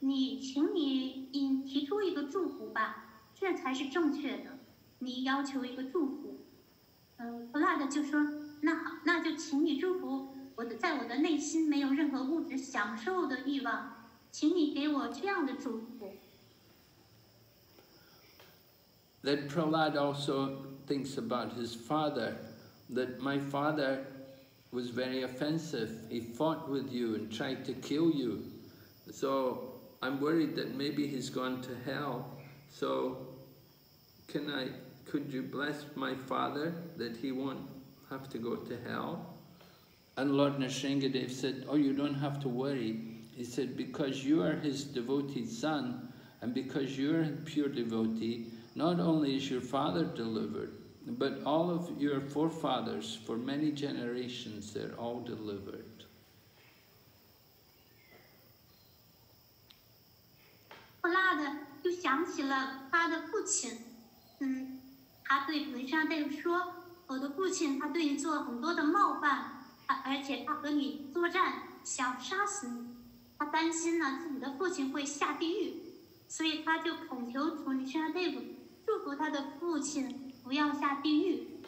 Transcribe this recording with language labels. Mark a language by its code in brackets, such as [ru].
[zh] 你请你引提出一个祝福吧，这才是正确的。你要求一个祝福，弗拉德就说，那好，那就请你祝福我的，在我的内心没有任何物质享受的欲望，请你给我这样的祝福。 [en] Then Prahlad also thinks about his father, that my father was very offensive. He fought with you and tried to kill you. So I'm worried that maybe he's gone to hell. So could you bless my father that he won't have to go to hell? And Lord Narsingadev said, oh, you don't have to worry. He said, because you are his devoted son and because you're a pure devotee, not only is your father delivered, but all of your forefathers for many generations, they're all delivered. [zh] Prahlad 就想起了他的父亲，他对文山大夫说，我的父亲他对你做了很多的冒犯，而且他和你作战想杀死你，他担心呢自己的父亲会下地狱，所以他就恳求文山大夫祝福他的父亲不要下地狱。